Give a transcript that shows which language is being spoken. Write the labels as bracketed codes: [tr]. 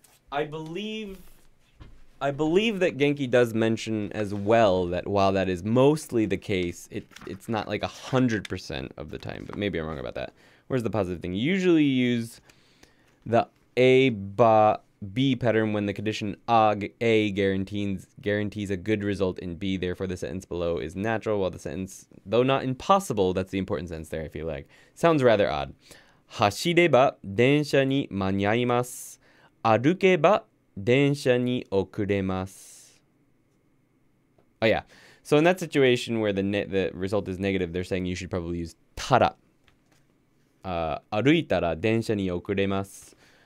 [en] I believe that Genki does mention as well that while that is mostly the case, it's not like 100% of the time, but maybe I'm wrong about that. Where's the positive thing? Usually use the A, ba, B pattern when the condition A guarantees a good result in B, therefore the sentence below is natural, while the sentence, though not impossible, that's the important sentence there, I feel like. Sounds rather odd. [ja] 走れば電車に間に合います。歩けば電車に送れます。 [en] Oh yeah. So in that situation where the result is negative, they're saying you should probably use tara. [ja] 歩いたら電車に送れます。